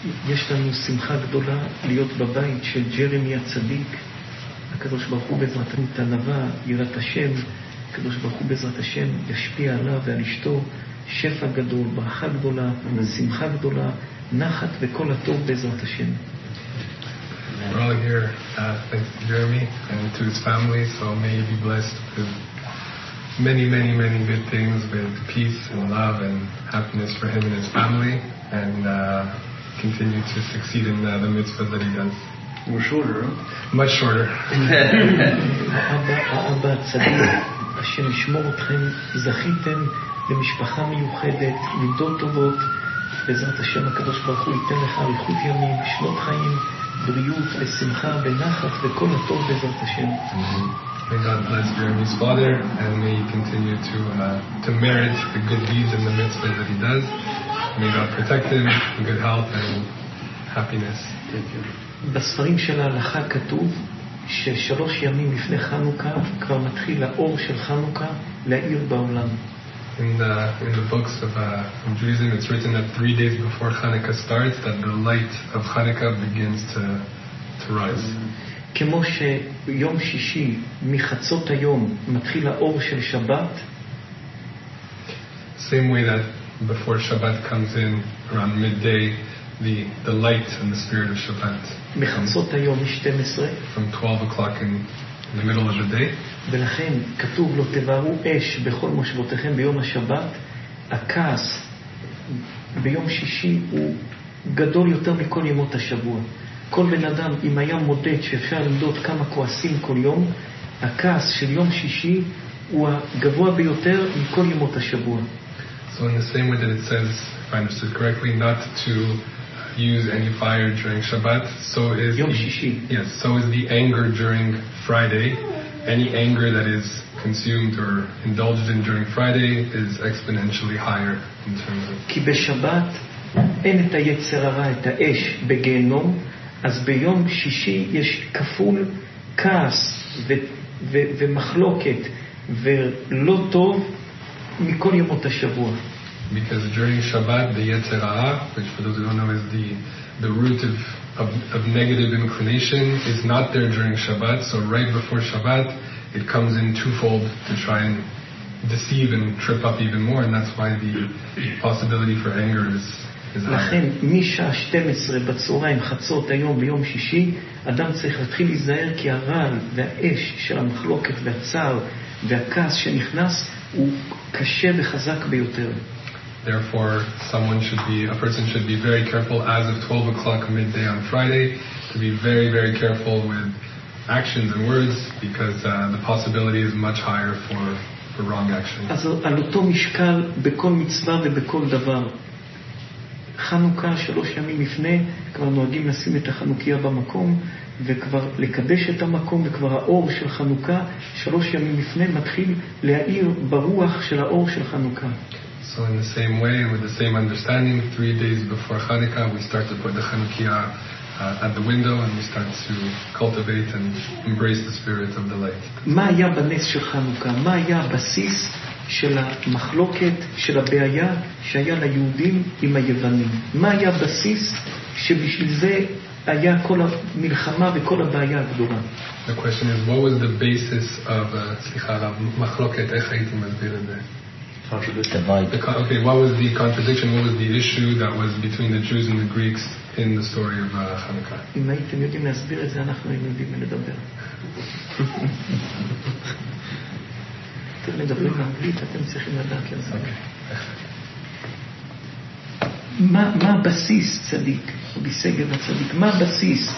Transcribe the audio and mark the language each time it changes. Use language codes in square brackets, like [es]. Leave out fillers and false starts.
[he] יש לנו שמחה גדולה להיות בבית של ג'רמי הצדיק, הקדוש ברוך הוא בעזרתנו תנבה, יראת השם, הקדוש ברוך הוא בעזרת השם ישפיע עליו ועל אשתו שפע גדול, ברכה גדולה, שמחה גדולה, נחת וכל הטוב בעזרת השם. [en] We're all here thanks to Jeremy and to his family, so may you be blessed with many, many, many good things, with peace and love and happiness for him and his family, and continue to succeed in the mitzvah that he does. We're shorter, huh? Much shorter. [he] Abba, Tzadik, Hashem ishmor otchem, zachitem למשפחה מיוחדת, לידות טובות, בעזרת השם הקדוש ברוך הוא ייתן לך אריכות ימים, שנות חיים, בריאות ושמחה ונחת וכל הטוב בעזרת השם. [en] May God bless Jeremy's father, and may he continue to merit the good deeds and the mitzvah that he does. May God protect him, good health and happiness. [he] בספרים של ההלכה כתוב ששלוש ימים לפני חנוכה כבר מתחיל האור של חנוכה להאיר בעולם. [en] In the books of Judaism, it's written that 3 days before Hanukkah starts, that the light of Hanukkah begins to rise. [he] כמו שיום שישי מחצות היום מתחיל האור של שבת. [en] Same way that before Shabbat comes in around midday, the light and the spirit of Shabbat. [he] מחצות היום 12. [en] From 12 o'clock in the middle of the day. [he] ולכן כתוב לו תבערו אש בכל מושבותיכם ביום השבת. הכעס ביום שישי הוא גדול יותר מכל ימות השבוע. כל בן אדם, אם היה מודד שאפשר למדוד כמה כועסים כל יום, הכעס של יום שישי הוא הגבוה ביותר מכל ימות השבוע. [en] So in the same way that it says, if I understood correctly, not to use any fire during Shabbat, so is [he] יום שישי. [en] Yes, so is the anger during Friday. Any anger that is consumed or indulged in during Friday is exponentially higher in terms of. [he] כי בשבת אין את היצר הרע, את האש בגיהנום, אז ביום שישי יש כפול כעס ומחלוקת ולא טוב מכל ימות השבוע. [en] Because during Shabbat the yetzer ha'ra, which for those who don't know is the root of negative inclination, is not there during Shabbat, so right before Shabbat it comes in twofold to try and deceive and trip up even more, and that's why the possibility for anger is higher. [he] לכן משעה 12 בצהריים חצות היום ביום שישי אדם צריך להתחיל להיזהר, כי הרעל והאש של המחלוקת והצער והכעס שנכנס הוא קשה וחזק ביותר. [en] Therefore, a person should be very careful as of 12 o'clock midday on Friday, to be very, very careful with actions and words, because the possibility is much higher for wrong action. [he] אז על אותו משקל בכל מצווה ובכל דבר, חנוכה שלוש ימים לפני כבר נוהגים לשים את החנוכיה במקום וכבר לקדש את המקום, וכבר האור של חנוכה שלוש ימים לפני מתחיל להאיר ברוח של האור של חנוכה. [en] So in the same way and with the same understanding, 3 days before Hanukkah we start to put the Hanukkiah at the window and we start to cultivate and embrace the spirit of the light. [he] מה היה בנס של חנוכה? מה היה הבסיס של המחלוקת, של הבעיה שהיה ליהודים עם היוונים? מה היה הבסיס שבשביל זה היה כל המלחמה וכל הבעיה הגדולה? [en] The question is, what was the basis of מחלוקת? [he] איך הייתי מסביר את זה? [en] Okay, what was the contradiction, what was the issue that was between the Jews and the Greeks in the story of Hanukkah? [he] אם הייתם יודעים להסביר את זה, אנחנו היינו יודעים לדבר. אתם מדברים באנגלית, אתם צריכים לדעת לזה. מה הבסיס, צדיק, בסגב הצדיק, מה הבסיס?